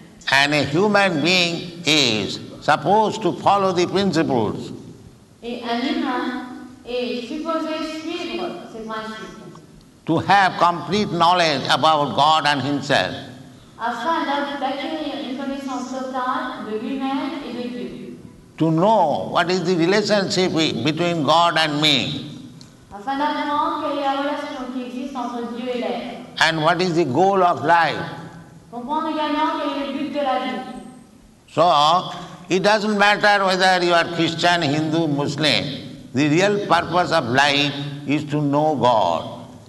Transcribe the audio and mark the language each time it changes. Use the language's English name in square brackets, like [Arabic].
[English] and a human being is supposed to follow the principles. [French] Et un humain est supposé suivre ces principes. [English] To have complete knowledge about God and himself. [French] Afin d'acquérir une connaissance totale de lui-même et de Dieu. [English] To know what is the relationship between God and me. [French] Afin d'apprendre quelle est la relation qui existe entre Dieu et l'être. [English] And what is the goal of life? So, it doesn't matter whether you are Christian, Hindu, Muslim. The real purpose of life is to know God.